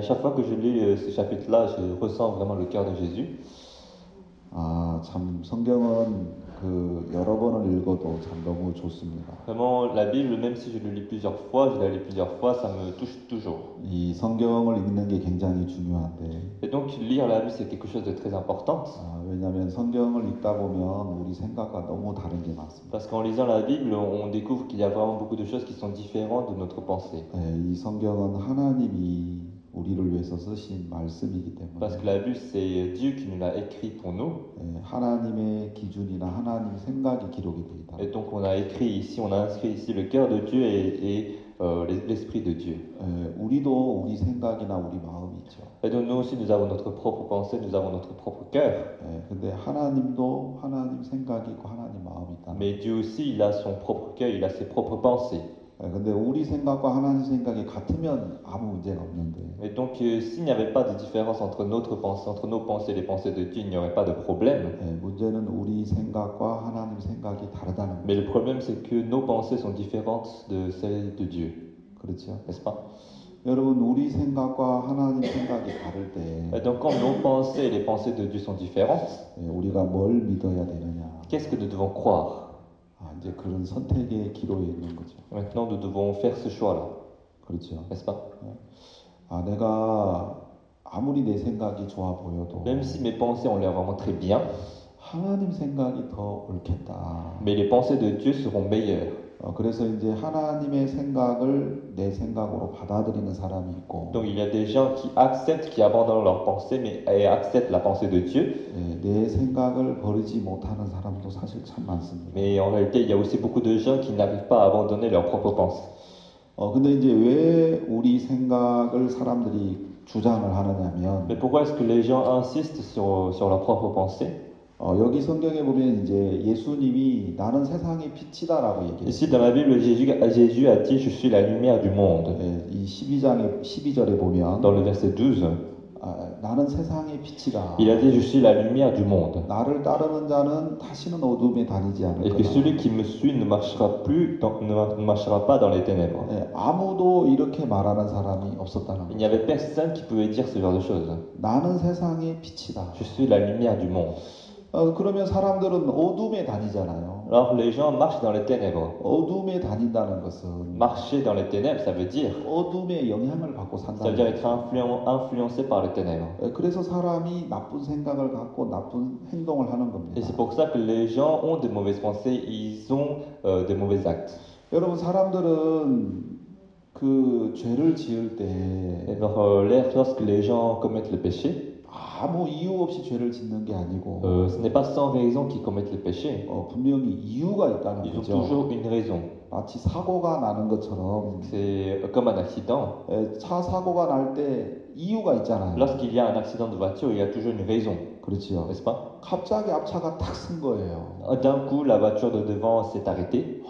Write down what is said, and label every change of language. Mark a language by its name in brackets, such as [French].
[French] fois que je lis ce chapitre-là, je ressens vraiment le cœur de Jésus. [Korean] 아, 참 성경은 그 여러 번을 읽어도 참 너무 좋습니다. [French] Vraiment, la Bible, même si je le lis plusieurs fois, je la lis plusieurs fois, ça me touche toujours. [Korean] 이 성경을 읽는 게 굉장히 중요한데. [French] Et donc lire la Bible, c'est quelque chose de très important. [Korean] 아, 왜냐하면 성경을 읽다 보면 우리 생각과 너무 다른 게 많습니다. [French] Parce qu'en lisant la Bible, on découvre qu'il y a vraiment beaucoup de choses qui sont différentes de notre pensée. [Korean] 네, 이 성경은 하나님이 우리를 위해서 쓰신 말씀이기 때문에. [French] Parce que la Bible, c'est Dieu qui nous l'a écrit pour nous. [Korean] 예, 하나님의 기준이나 하나님 생각이 기록이 되어 있다. [French] Et donc on a écrit ici, on a inscrit ici le cœur de Dieu l'esprit de Dieu. [Korean] 예, 우리도 우리 생각이나 우리 마음이 있죠. [French] Et donc nous aussi, nous avons notre propre pensée, nous avons notre propre cœur. [Korean] 예, 근데 하나님도 하나님 생각이 있고 하나님 마음이 있다. [French] Mais Dieu aussi, il a son propre cœur, il a ses propres pensées. [Korean] 근데 우리 생각과 하나님 생각이 같으면 아무 문제가 없는데. [French] Et donc s'il n'y avait pas de différence entre notre pensée, entre nos pensées et les pensées de Dieu, il n'y aurait pas de problème. [Korean] 네, 문제는 우리 생각과 하나님 생각이 다르다는 거죠. [French] Mais le problème c'est que nos pensées sont différentes de celles de Dieu. [Korean] 그렇죠. [French] N'est-ce pas? [Korean] 여러분 우리 생각과 하나님 생각이 다를 때. [French] Et donc quand nos pensées et les pensées de Dieu sont différentes, [Korean] 네, 우리가 뭘 믿어야 되느냐? [French] Qu'est-ce que nous devons croire? [Korean] 아, 이제 그런 선택의 기로에 있는 거죠. [French] Maintenant, nous devons faire ce choix-là. [Korean] 그렇죠. [French] N'est-ce pas? [Korean] 아, 내가 아무리 내 생각이 좋아 보여도 [French] même si mes pensées ont l'air vraiment très bien [Korean] 하나님 생각이 더 옳겠다. [French] Mais les pensées de Dieu seront meilleures. [Korean] 그래서 이제 하나님의 생각을 내 생각으로 받아들이는 사람이 있고. [French] Donc il y a des gens qui acceptent, qui abandonnent leurs pensées, mais acceptent la pensée de Dieu. [Korean] 내 생각을 버리지 못하는 사람도 사실 참 많습니다. [French] Mais en réalité, il y a aussi beaucoup de gens qui n'arrivent pas à abandonner leurs propres pensées. [Korean] 근데 이제 왜 우리 생각을 사람들이 주장을 하느냐면. [French] Mais pourquoi est-ce que les gens insistent sur leurs propres pensées? [Korean] 여기 성경에 보면 이제 예수님이 나는 세상의 빛이다라고 얘기했습니다. 이 12장에 12절에 보면 [French] dans le verset 12, [Korean] 나는 세상의 빛이다. [French] Il a dit, je suis la lumière du monde. [Korean] 나를 따르는 자는 다시는 어둠에 다니지 않을 거다. [French] Et que celui qui me suit ne marchera plus ne marchera pas dans les ténèbres. [Korean] 아무도 이렇게 말하는 사람이 없었다는 거예요. [French] Il n'y avait personne qui pouvait dire ce genre de choses. [Korean] 나는 세상의 빛이다. [French] Je suis la lumière du monde. [Korean] 그러면 사람들은 어둠에 다니잖아요. [French] Alors les gens marchent dans les ténèbres. [Korean] 어둠에 다닌다는 것은 [French] marcher dans les ténèbres, ça veut dire [Korean] 어둠의 영향을 받고 산다. [French] Ça veut dire être influencé par les ténèbres. [Korean] 그래서 사람이 나쁜 생각을 갖고 나쁜 행동을 하는 겁니다. [French] Et c'est pour ça que les gens ont de mauvaises pensées, ils ont de mauvais actes. [Korean] 여러분 사람들은 그 죄를 지을 때 [French] lorsque les gens commettent le péché [Korean] 아무 이유 없이 죄를 짓는 게 아니고 [French] ce n'est pas sans raison qu'ils commettent les péchés. [Korean] 분명히 이유가 있다는 [French] Ils [Korean] 거죠. [French] Ont toujours une raison. [Korean] 마치 사고가 나는 것처럼 [French] c'est comme un accident. [Korean] 차 사고가 날 때 이유가 있잖아요. [French] Lorsqu'il y a un accident de voiture, il y a toujours une raison. [Korean] 그렇지요. [French] N'est-ce pas? [Korean] 갑자기 앞차가 탁 쓴 거예요. [French] D'un coup, la voiture de devant s'est arrêtée.